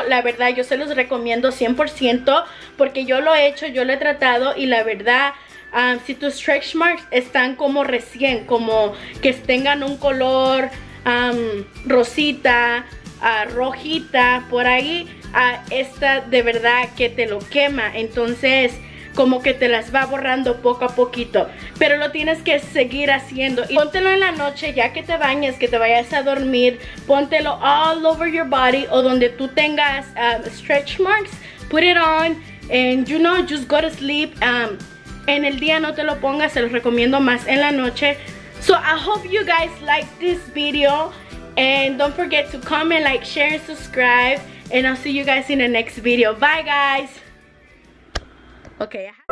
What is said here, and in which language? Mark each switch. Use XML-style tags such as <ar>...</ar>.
<es>La verdad, yo se los recomiendo 100% porque yo lo he hecho, yo lo he tratado y la verdad, si tus stretch marks están como recién, como que tengan un color rosita, rojita, por ahí, esta de verdad que te lo quema. Entonces, como que te las va borrando poco a poquito. Pero lo tienes que seguir haciendo. Y póntelo en la noche, ya que te bañes, que te vayas a dormir. Póntelo</es> <en>all over your body</en> <es>o donde tú tengas</es> <en>stretch marks. Put it on and, you know, just go to sleep.</en> <es>En el día no te lo pongas, se los recomiendo más en la noche.</es> <en>So I hope you guys like this video. And don't forget to comment, like, share, and subscribe. And I'll see you guys in the next video. Bye, guys. Okay.</en>